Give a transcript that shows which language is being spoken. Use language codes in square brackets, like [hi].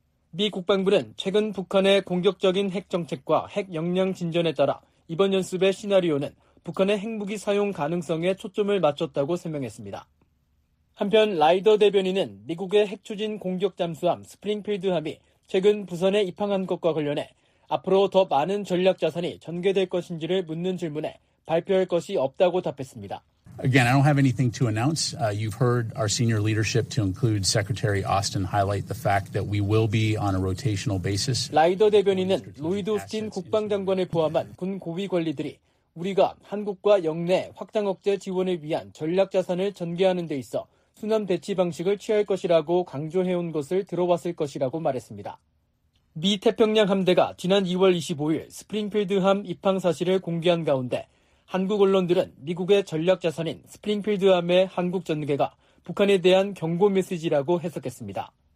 [ko] 미 국방부는 최근 북한의 공격적인 핵 정책과 핵 역량 진전에 따라 이번 연습의 시나리오는 북한의 핵무기 사용 가능성에 초점을 맞췄다고 설명했습니다. 한편 라이더 대변인은 미국의 핵 추진 공격 잠수함 스프링필드함이 최근 부산에 입항한 것과 관련해 앞으로 더 많은 전략 자산이 전개될 것인지를 묻는 질문에 발표할 것이 없다고 답했습니다. [en] Again, I don't have anything to announce. You've heard our senior leadership, to include Secretary Austin, highlight the fact that we will be on a rotational basis. [ko] 라이더 대변인은 로이드 오스틴 국방장관을 포함한 군 고위 관리들이 우리가 한국과 영내 확장 억제 지원을 위한 전략 자산을 전개하는 데 있어 순환 배치 방식을 취할 것이라고 강조해온 것을 들어왔을 것이라고 말했습니다. 미 태평양 함대가 지난 2월 25일 스프링필드함 입항 사실을 공개한 가운데 한국 언론들은 미국의 전략 자산인 스프링필드함의 한국 전개가 북한에 대한 경고 메시지라고 해석했습니다.